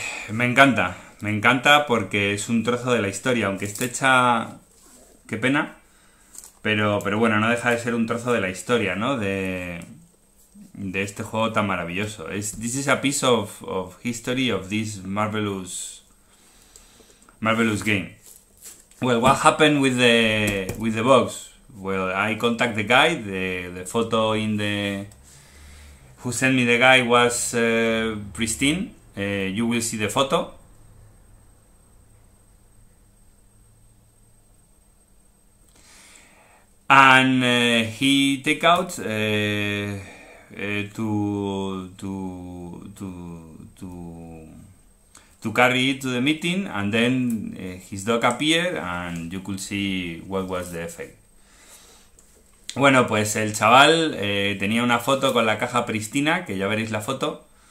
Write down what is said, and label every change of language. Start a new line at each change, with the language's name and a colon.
Spanish: Me encanta porque es un trozo de la historia, aunque esté hecha. Qué pena. Pero bueno, no deja de ser un trozo de la historia, ¿no? De este juego tan maravilloso.
English: This is a piece of history of this marvelous game. Well, what happened with the box? Well, I contact the guy. The photo in the who sent me the guy was pristine. You will see the photo. And he take out to carry it to the meeting, and then his dog appeared and you could see what was the effect.
Spanish: Bueno, pues el chaval tenía una foto con la caja pristina, que ya veréis la foto.